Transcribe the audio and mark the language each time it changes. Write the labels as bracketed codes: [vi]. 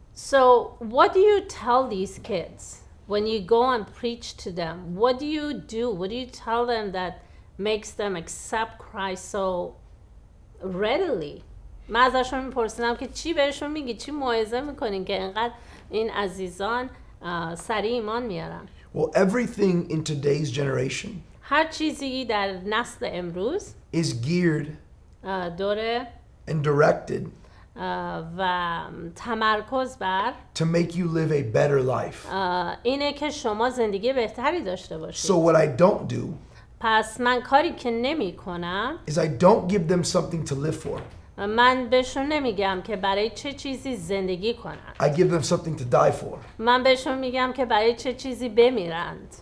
[en] So what do you tell these kids when you go and preach to them? What do you do? What do you tell them that makes them accept Christ so readily? [fa] من ازشون میپرسیدم که چی بهشون میگی، چی موعظه میکنین که اینقدر این عزیزان سریع ایمان میارن؟ [en] Well, everything in today's generation [fa] هر چیزی در نسل امروز [en] is geared [fa] دوره [en] and directed [fa] و تمرکز بر [en] to make you live a better life. [fa] اینه که شما زندگی بهتری داشته باشید. [en] So what I don't do [fa] پس من کاری که نمی کنم [en] is I don't give them something to live for. [fa] من بهشون نمیگم که برای چه چیزی زندگی کنند. [en] I give them something to die for. [fa] من بهشون میگم که برای چه چیزی بمیرند.